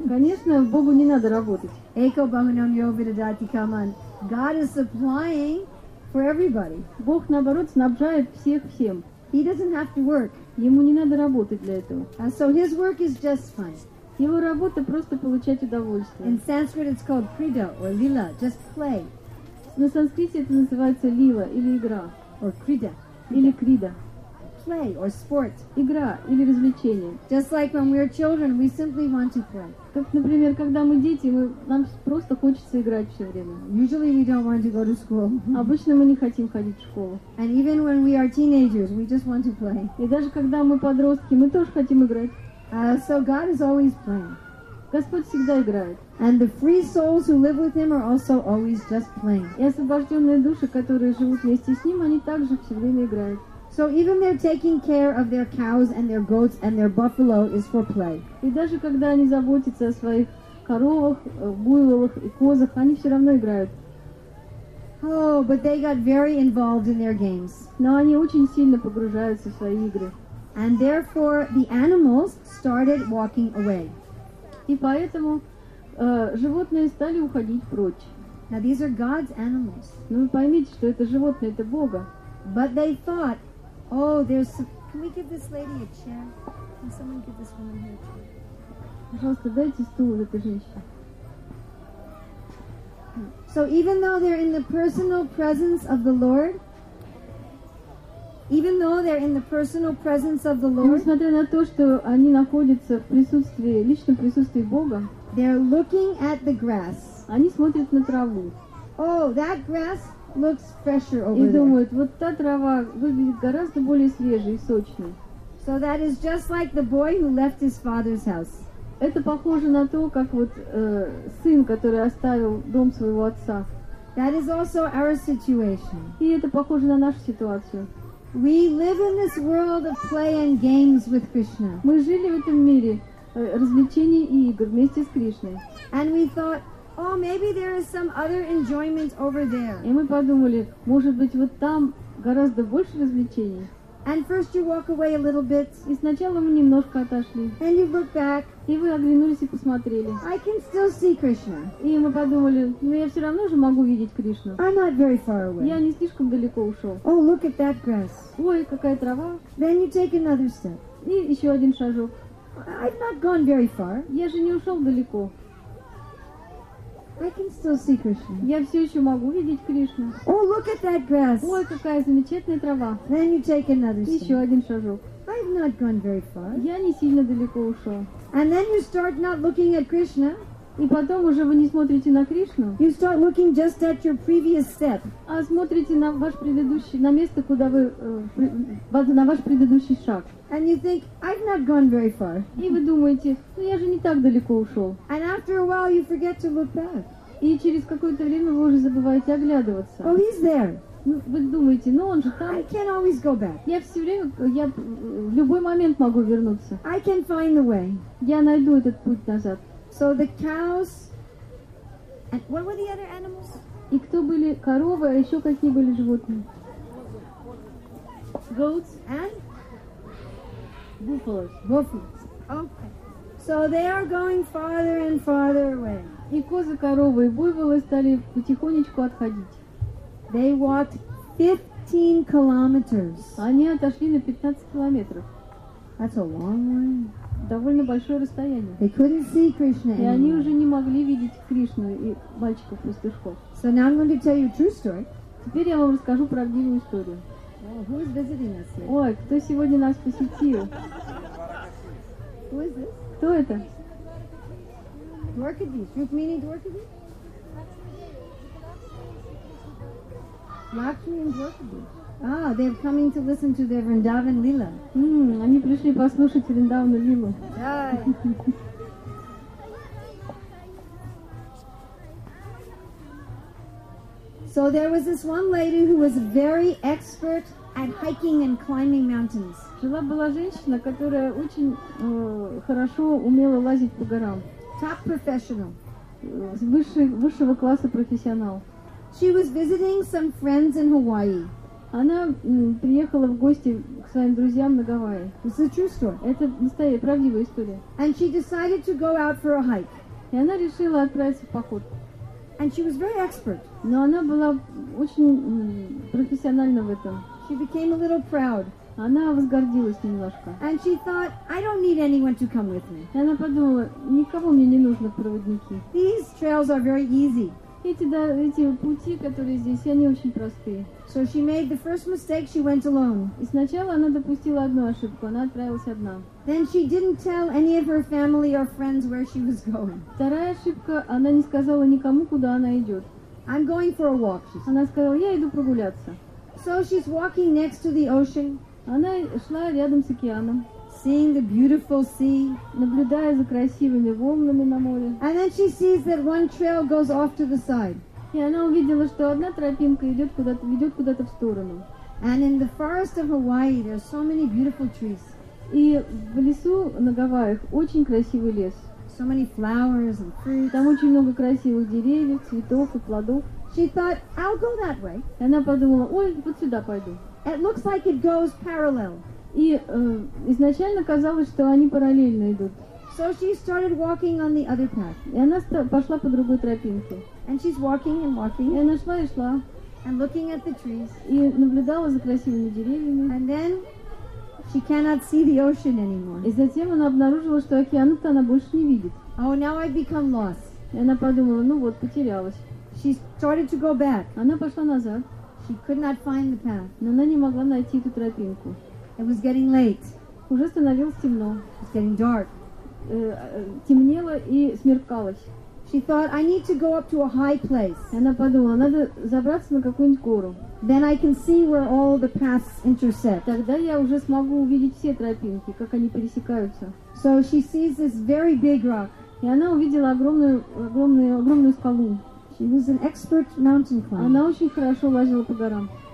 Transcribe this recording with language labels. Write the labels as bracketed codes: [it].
[ru] Конечно, Богу не надо работать. [sa] Eko bhamanam yo vidadati kaman. [en] God is supplying for everybody. [ru] Бог, наоборот, снабжает всех всем. [en] He doesn't have to work. [ru] Ему не надо работать для этого. [en] And so his work is just fun. [ru] Его работа просто получать удовольствие. [en] In Sanskrit it's called krida or lila, just play. [ru] На санскрите это называется лила или игра. [en] Or krida. [ru] Или крида. [en] Play or sport. [ru] Игра или развлечение. [en] Just like when we are children, we simply want to play. [ru] Как, например, когда мы дети, нам просто хочется играть все время. [en] Usually we don't want to go to school. [ru] Обычно мы не хотим ходить в школу. [en] And even when we are teenagers, we just want to play. [ru] И даже когда мы подростки, мы тоже хотим играть. [en] So God is always playing. [ru] Господь всегда играет. [en] And the free souls who live with him are also always just playing. [ru] И освобожденные души, которые живут вместе с ним, они также все время играют. [en] So even their taking care of their cows and their goats and their buffalo is for play. [ru] И даже когда они заботятся о своих коровах, буйволах и козах, они все равно играют. [en] Oh, but they got very involved in their games. [ru] Но они очень сильно погружаются в свои игры. [en] And therefore the animals started walking away. [ru] И поэтому животные стали уходить прочь. [en] Now these are God's animals. [ru] Ну вы поймите, что это животные, это Бога. [en] But they thought, oh, there's some... Can we give this lady a chair? Can someone give this woman here a chair? [ru] Пожалуйста, дайте стул этой женщине. [en] So even though they're in the personal presence of the Lord, even though they're in the personal presence of the Lord, [ru] несмотря на то, что они находятся в присутствии, личном присутствии Бога, [en] they're looking at the grass. [ru] Они смотрят на траву. [en] Oh, that grass looks fresher over [ru] и [en] there. [ru] Думают, вот та трава выглядит гораздо более свежей и сочной. [en] So that is just like the boy who left his father's house. [ru] Это похоже на то, как вот сын, который оставил дом своего отца. [en] That is also our situation. [ru] И это похоже на нашу ситуацию. [en] We live in this world of play and games with Krishna. [ru] Мы жили в этом мире развлечений и игр вместе с Кришной. [en] And we thought, oh, maybe there is some other enjoyment over there. [ru] И мы подумали, может быть, вот там гораздо больше развлечений. [en] And first you walk away a little bit. [ru] И сначала мы немножко отошли. [en] And you look back. [ru] И вы оглянулись и посмотрели. [en] I can still see Krishna. [ru] И мы подумали, ну я все равно же могу видеть Кришну. [en] I'm not very far away. [ru] Я не слишком далеко ушел. [en] Oh, look at that grass. [ru] Ой, какая трава. [en] Then you take another step. [ru] И еще один шажок. [en] I've not gone very far. [ru] Я же не ушел далеко. [en] I can still see Krishna. [ru] Я все еще могу видеть Кришну. [en] Oh, look at that grass. [ru] Ой, какая замечательная трава. [en] Then you take another step. [ru] Еще один шажок. [en] I've not gone very far. [ru] Я не сильно далеко ушел. [en] And then you start not looking at Krishna. [ru] И потом уже вы не смотрите на Кришну. [en] You start looking just at your previous step. [ru] А смотрите на ваш предыдущий, на место, куда вы, на ваш предыдущий шаг. [en] And you think, I've not gone very far. [ru] И вы думаете, ну я же не так далеко ушел. [en] And after a while you forget to look back. [ru] И через какое-то время вы уже забываете оглядываться. [en] Oh, he's there. [ru] Ну, вы думаете, ну он же там. [en] I can always go back. [ru] Я все время, я в любой момент могу вернуться. [en] I can find the way. [ru] Я найду этот путь назад. [en] So the cows, and what were the other animals? [ru] И кто были коровы, а еще какие были животные? [en] Goats and buffaloes. Okay. So they are going farther and farther away. [ru] И козы, коровы и буйволы стали потихонечку отходить. [en] They walked 15 kilometers. [ru] Они отошли на 15 километров. [en] That's a long way. [ru] Довольно большое расстояние. [en] They couldn't see Krishna anymore. [ru] И они уже не могли видеть Кришну и мальчиков пустышков. [en] So now I'm going to tell you a true story. [ru] Теперь я вам расскажу правдивую историю. [en] Oh, who is visiting us here? [ru] Ой, кто сегодня нас посетил? [en] Who is this? [ru] Кто это? [en] Dwarkadi. Shrup meaning Dwarkadi? Lakshmi and Dwarkadi. Ah, they're coming to listen to their Vrindavan Lila. [ru] Они пришли послушать Vrindavan Lila. [en] So there was this one lady who was very expert at hiking and climbing mountains. [ru] Жила была женщина, которая очень хорошо умела лазить по горам. [en] Top professional. [ru] Высшего класса профессионал. [en] She was visiting some friends in Hawaii. [ru] Она приехала в гости к своим друзьям на Гавайи. [en] This is a true story. [ru] Это настоящая, правдивая история. [en] And she decided to go out for a hike. [ru] И она решила отправиться в поход. [en] And she was very expert. [ru] Но она была очень профессиональна в этом. [en] She became a little proud. [ru] Она возгордилась немножко. [en] And she thought, I don't need anyone to come with me. [ru] И она подумала, никого мне не нужно в проводники. [en] These trails are very easy. [ru] Эти пути, которые здесь, они очень простые. [en] So she made the first mistake, she went alone. [ru] И сначала она допустила одну ошибку, она отправилась одна. [en] Then she didn't tell any of her family or friends where she was going. [ru] Вторая ошибка, она не сказала никому, куда она идет. [en] I'm going for a walk, she said. [ru] Она сказала, я иду прогуляться. [en] So she's walking next to the ocean. [ru] Она шла рядом с океаном. [en] Seeing the beautiful sea, [ru] наблюдая за красивыми волнами на море. [en] And then she sees that one trail goes off to the side. [ru] И она увидела, что одна тропинка ведет куда-то в сторону. [en] And in the forest of Hawaii, there are so many beautiful trees. [ru] И в лесу на Гавайях очень красивый лес. [en] So many flowers and fruit. [ru] Там очень много красивых деревьев, цветов и плодов. [en] She thought, I'll go that way. [ru] И она подумала, ой, вот сюда пойду. [en] It looks like it goes parallel. [ru] И изначально казалось, что они параллельно идут. [en] So she started walking on the other path. [ru] И она пошла по другой тропинке. [en] And she's walking and walking. [ru] И она шла и шла. [en] And looking at the trees. [ru] И наблюдала за красивыми деревьями. [en] And then she cannot see the ocean anymore. [ru] И затем она обнаружила, что океана-то она больше не видит. [en] Oh, now I've become lost. [ru] И она подумала, ну вот, потерялась. [en] She started to go back. [ru] Она пошла назад. [en] She could not find the path. [ru] Но она не могла найти эту тропинку. [en] It was getting late. [ru] Уже становилось темно. [en] It was getting dark. [ru] Темнело и смеркалось. [en] She thought, I need to go up to a high place. [ru] Она подумала, надо забраться на какую-нибудь гору. [en] Then I can see where all the paths intersect. [ru] Тогда я уже смогу увидеть все тропинки, как они пересекаются. [en] So she sees this very big rock. [ru] И она увидела огромную скалу. [en] She was an expert mountain climber. [ru] Она очень хорошо лазила по горам.